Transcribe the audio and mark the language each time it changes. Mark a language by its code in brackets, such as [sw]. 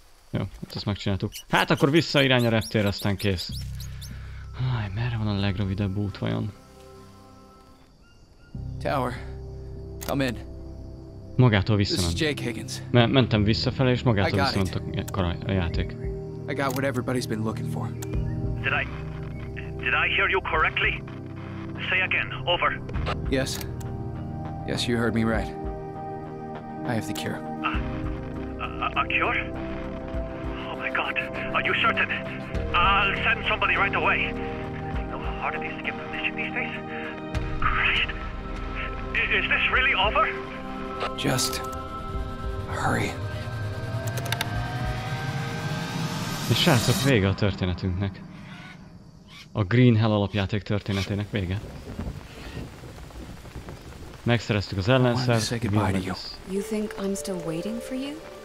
[hu] Jó, hát ezt megcsináltuk. Hát akkor vissza irány a reptér, aztán kész. Aj, merre van a legrövidebb út vajon? [en] Tower, come in. [hu] Magától visszament. [en] This is Jake Higgins. [hu] Mentem visszafele, és magától visszament a játék. [en] I got what everybody's been looking for. Did I hear you correctly? Say again, over. Yes. Yes, you heard me right. I have the cure. A cure? Oh my god, are you certain? I'll send somebody right away. You know how hard it is to get permission these days? Christ. Is this really over? Just hurry. [hu] És srácok, vége a történetünknek. A Green Hell alapjáték történetének vége. Megszereztük az ellenszert, [en] You think I'm still waiting for you?